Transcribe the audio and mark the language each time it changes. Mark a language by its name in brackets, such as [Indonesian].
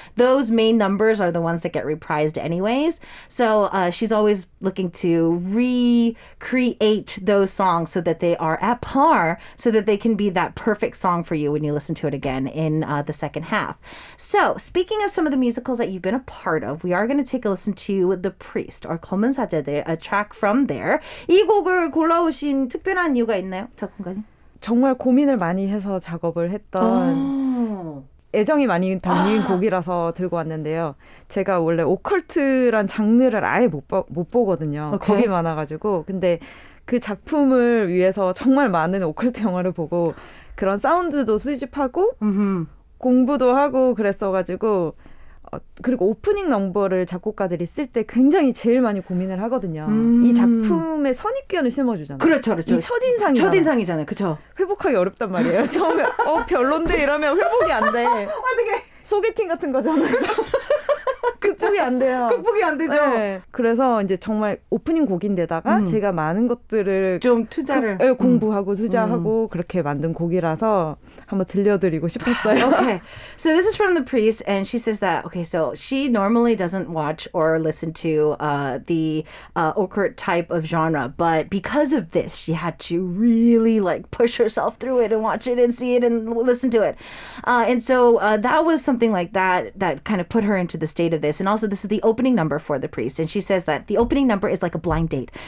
[English] Those main numbers are the ones that get reprised anyways. So she's always looking to recreate those songs so that they are at par, so that they can be that perfect song for you when you listen to it again in the second half. So speaking of some of the musicals that you've been a part of, we are going to take a listen to The Priest or 검은 사제들, a track from there. [Korean] 이 곡을 골라오신 특별한 이유가 있나요? 작곡가님? 정말 고민을 많이 해서 작업을 했던 애정이 많이 담긴 곡이라서 들고 왔는데요. 제가 원래 오컬트란 장르를 아예 못 보거든요. 겁이 많아가지고. 근데 그 작품을 위해서 정말 많은 오컬트 영화를 보고 그런 사운드도 수집하고 공부도 하고 그랬어가지고 그리고 오프닝 넘버를 작곡가들이 쓸 때 굉장히 제일 많이 고민을 하거든요. 이 작품의 선입견을 심어주잖아요. 그렇죠, 그렇죠. 이 첫인상이잖아요. 첫인상이잖아요. 그렇죠. 회복하기 어렵단 말이에요. 처음에 별론데 이러면 회복이 안 돼. 어떻게 소개팅 같은 거잖아요. 극복이 안 돼요. 극복이 안 되죠. 네. 그래서 이제 정말 오프닝 곡인데다가 제가 많은 것들을 좀 투자를 공부하고 투자하고 그렇게 만든 곡이라서 한번 들려드리고 싶었어요. [English] Okay, so this is from The Priest, and she says that okay, so she normally doesn't watch or listen to the occult type of genre, but because of this, she had to really like push herself through it and watch it and see it and listen to it. And so that was something like that kind of put her into the state of this. And also, this is the opening number for The Priest, and she says that the opening number is like a blind date.